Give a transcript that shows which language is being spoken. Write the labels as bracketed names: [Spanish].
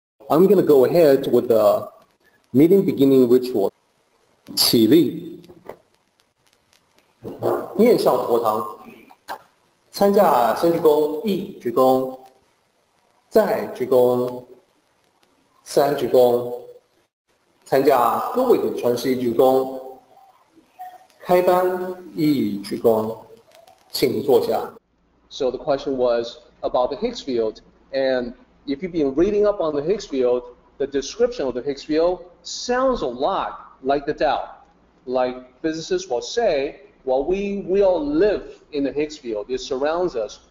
[English] I'm going to go ahead with the meeting beginning ritual. [Chinese] 起立，面向佛堂，参加先鞠躬，一鞠躬，再鞠躬，三鞠躬，参加各位的传师一鞠躬，开班一鞠躬，请坐下。 [English] So the question was about the Higgs field, and if you've been reading up on the Higgs field, the description of the Higgs field sounds a lot like the Tao. Like physicists will say, well, we all live in the Higgs field. It surrounds us.